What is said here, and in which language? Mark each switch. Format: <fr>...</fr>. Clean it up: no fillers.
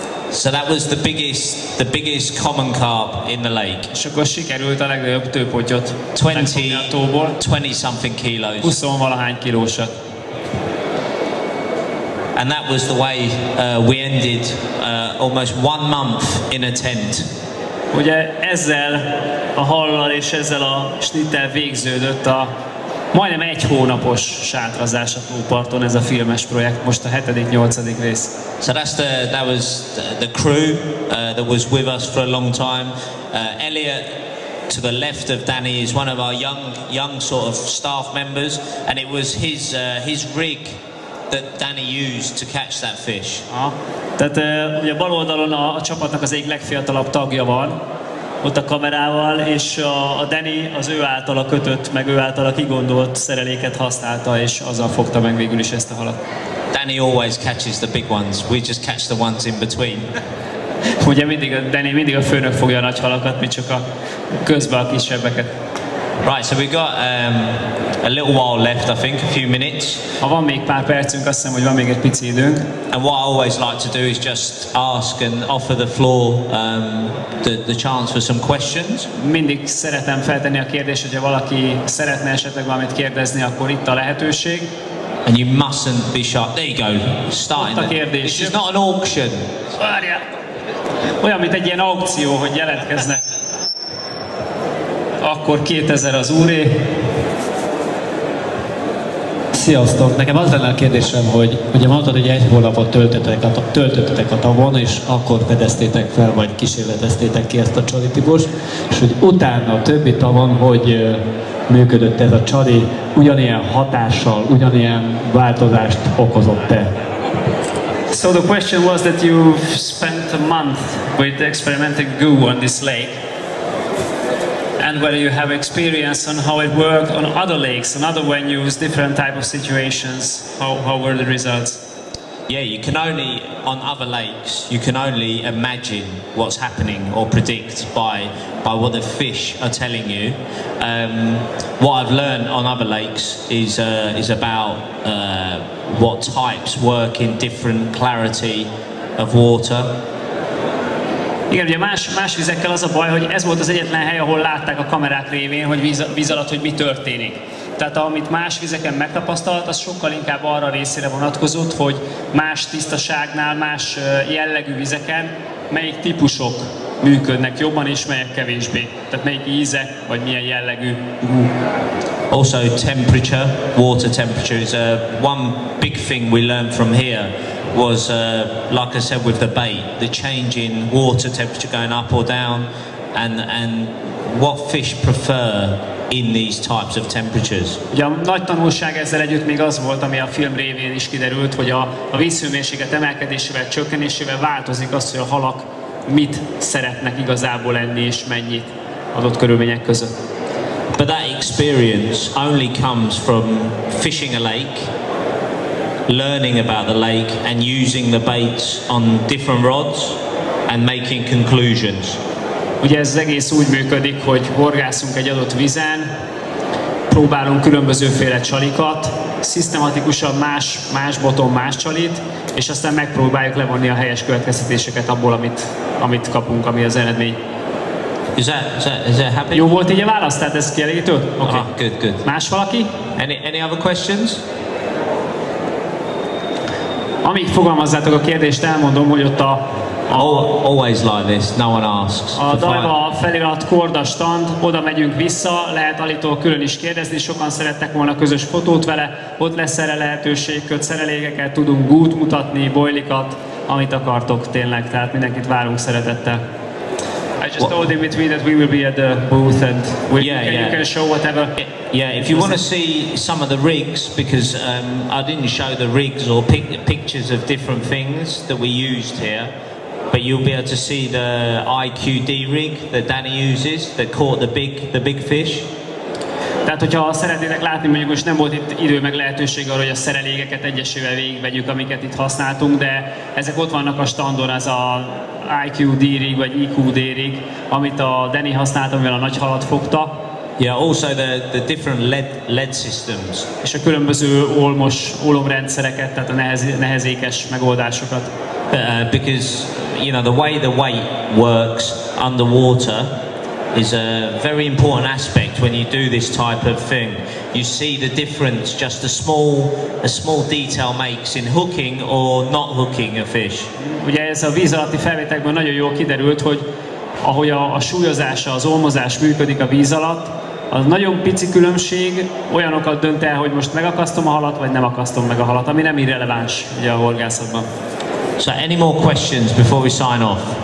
<en>So that was the biggest common carp in the lake.</en> <hu>És akkor sikerült a legnagyobb tőpontyot.</hu> <en>20 something kilos.</en> <hu>20-valahány kilósat.</hu> <en>And that was the way we ended almost 1 month in a tent.</en> <hu>Ugye ezzel a hallal és ezzel a snittel végződött a majdnem egy hónapos sátrazás a tóparton ez a filmes projekt, most a 7.-8. rész.</hu> <en>So that was the crew that was with us for a long time. Elliot, to the left of Danny, is one of our young sort of staff members, and it was his rig that Danny used to catch that fish.</en> <hu>Tehát ugye bal oldalon a csapatnak az egyik legfiatalabb tagja van, ott a kamerával, és a Danny az ő általa kötött, meg ő általa kigondolt szereléket használta, és azzal fogta meg végül is ezt a halat.</hu> <en>Danny always catches the big ones, we just catch the ones in between.</en> <hu>Ugye mindig a Danny mindig a főnök fogja a nagy halakat, mi csak a közben a kisebbeket.</hu> <en>Right, so we've got a little while left, I think, a few minutes.</en> <hu>Van még pár percünk, azt hiszem, hogy van még egy pici időnk.</hu> <en>And what I always like to do is just ask and offer the floor the chance for some questions.</en> <hu>Mindig szeretem feltenni a kérdést, hogyha valaki szeretne esetleg valamit kérdezni, akkor itt a lehetőség.</hu> <en>And you mustn't be shy. There you go. Starting. This is not an auction.</en> <hu>Várja. Olyan, mint egy ilyen aukció, hogy jelentkeznek. Akkor 2000 az úré. Sziasztok! Nekem az lenne a kérdésem, hogy ugye mondtad, hogy egy hónapot töltöttetek a tavon, és akkor fedeztétek fel, vagy kísérleteztétek ki ezt a csali típust, és hogy utána a többi tavon, hogy működött ez a csali, ugyanilyen hatással, ugyanilyen változást okozott-e?</hu> <en>So the question was that you spent a month with experimenting goo on this lake. And whether you have experience on how it worked on other lakes, on other venues, different type of situations, how were the results? Yeah, you can only, on other lakes, you can only imagine what's happening or predict by what the fish are telling you. What I've learned on other lakes is about what types work in different clarity of water.</en> <hu>Igen, ugye más vizekkel az a baj, hogy ez volt az egyetlen hely, ahol látták a kamerák révén, hogy víz alatt, hogy mi történik. Tehát amit más vizeken megtapasztalt, az sokkal inkább arra részére vonatkozott, hogy más tisztaságnál, más jellegű vizeken melyik típusok működnek jobban és melyek kevésbé. Tehát melyik ízek, vagy milyen jellegű.</hu> <en>Also temperature, water temperature is one big thing we learned from here. Was like I said with the bait, the change in water temperature going up or down, and what fish prefer in these types of temperatures.</en> <hu>Ugye a nagy tanulság ezzel együtt még az volt, ami a film révén is kiderült, hogy a vízhőmérséklet emelkedésével, csökkenésével változik az, hogy a halak mit szeretnek igazából enni és mennyit adott körülmények között.</hu> <en>But that experience only comes from fishing a lake. Learning about the lake and using the baits on different rods and making conclusions.</en> <hu>Ugye ez egész úgy működik, hogy horgászunk egy adott vízen, próbálunk különbözőféle csalikat, szisztematikusan más boton más csalit, és aztán megpróbáljuk levonni a helyes következtetéseket abból, amit kapunk, ami az eredmény.</hu> <en>Is that happy?</en> <hu>Jó volt így a válasz, tehát ezt kielégítőd?</hu> <en>Okay. Aha, good.</en> <hu>Más valaki?</hu> <en>Any other questions?</en> <hu>Amíg fogalmazzátok a kérdést, elmondom, hogy ott a</hu> <en>always like this, no one asks.</en> <hu>A dajva felirat korda stand, oda megyünk vissza, lehet Alitól külön is kérdezni, sokan szerettek volna közös fotót vele, ott lesz erre lehetőség, kötszerelégeket tudunk gút mutatni, bojlikat, amit akartok tényleg, tehát mindenkit várunk szeretettel.</hu> <en>I just told in between that we will be at the booth and you can show whatever. Yeah, if you want to see some of the rigs, because I didn't show the rigs or pictures of different things that we used here, but you'll be able to see the IQD rig that Danny uses that caught the big fish.</en> <hu>Tehát, hogyha szeretnétek látni, mondjuk most nem volt itt idő meg lehetőség arra, hogy a szerelégeket egyesével végigvegyük, amiket itt használtunk, de ezek ott vannak a standon, ez a IQD rig vagy IQD rig, amit a Danny használt, amivel a nagy halat fogta.</hu> <en>Yeah, also the different lead systems.</en> <hu>És a különböző olmos olomrendszereket, tehát a nehezékes megoldásokat.</hu> <en>Because you know the way the weight works underwater is a very important aspect when you do this type of thing. You see the difference just a small detail makes in hooking or not hooking a fish.</en> <hu>Ugye ez a víz alatti felvételekben nagyon jól kiderült, hogy ahogy a súlyozása, az olmozás működik a víz alatt. Az nagyon pici különbség olyanokat dönt el, hogy most megakasztom a halat, vagy nem akasztom meg a halat, ami nem irreleváns ugye a horgászatban.</hu> <en>So any more questions before we sign off?</en>